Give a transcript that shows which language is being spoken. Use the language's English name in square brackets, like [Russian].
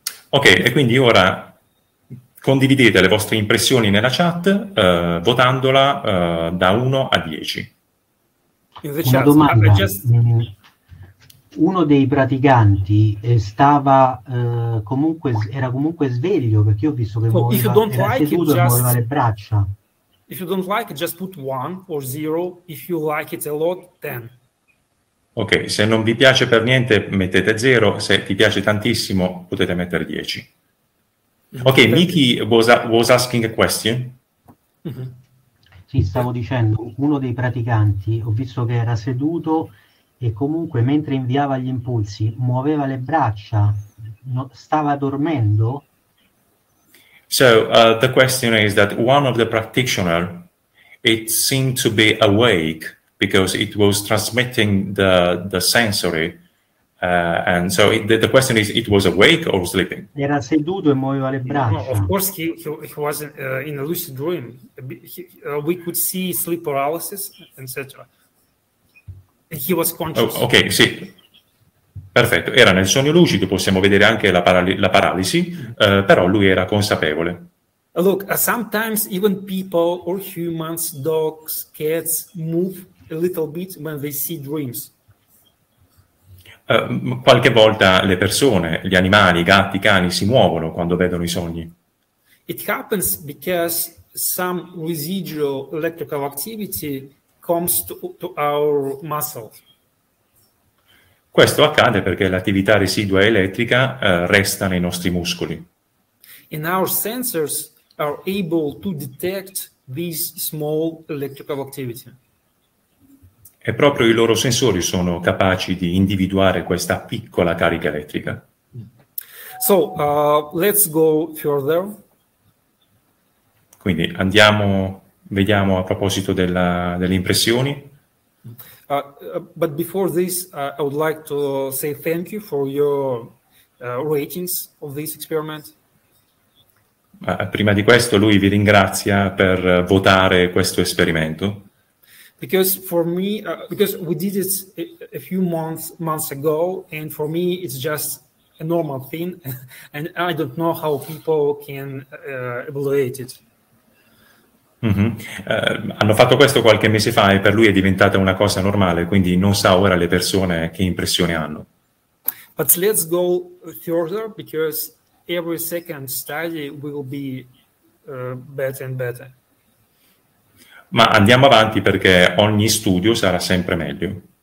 [Italian] Ok, e quindi ora condividete le vostre impressioni nella chat votandola da 1 a 10. [English] In the chat, [Italian] una domanda. Uno dei praticanti stava comunque era comunque sveglio, perché io ho visto che muoveva le braccia. [English] If you don't like it, just put 1 or 0. If you like it a lot, 10. [Italian] Ok, se non vi piace per niente mettete 0, se ti piace tantissimo potete mettere 10. [English] Ok, Miki was asking a question. [Italian] Sì, stavo dicendo, uno dei praticanti ho visto che era seduto e comunque mentre inviava gli impulsi muoveva le braccia, no, stava dormendo. [English] So the question is that one of the practitioner, it seemed to be awake because it was transmitting the sensory and so the question is it was awake or sleeping. [Italian] Era seduto e muoveva le braccia. [English] No, of course he was in a lucid dream. We could see sleep paralysis, etc. He was conscious. [Italian] Oh, ok, sì. Perfetto. Era nel sogno lucido, possiamo vedere anche la paralisi, però lui era consapevole. [English] Look, sometimes even people or humans, dogs, cats move a little bit when they see dreams. [Italian] Qualche volta le persone, gli animali, i gatti, i cani si muovono quando vedono i sogni. [English] It happens because some residual electrical activity comes to our muscles. [Italian] Questo accade perché l'attività residua elettrica resta nei nostri muscoli. [English] And our sensors are able to detect this small electrical activity. [Italian] E proprio i loro sensori sono capaci di individuare questa piccola carica elettrica. [English] So, let's go further. [Italian] Quindi andiamo, vediamo a proposito della, delle impressioni. [English] But before this, I would like to say thank you for your ratings of this experiment. [Italian] Prima di questo, lui vi ringrazia per votare questo esperimento. [English] Because for me, because we did it a few months ago, and for me it's just a normal thing, and I don't know how people can evaluate it. Mm-hmm. [Italian] Hanno fatto questo qualche mese fa e per lui è diventata una cosa normale, quindi non sa ora le persone che impressione hanno. [English] But let's go further, because every second study will be better and better. [Italian] Ma andiamo avanti perché ogni studio sarà sempre meglio.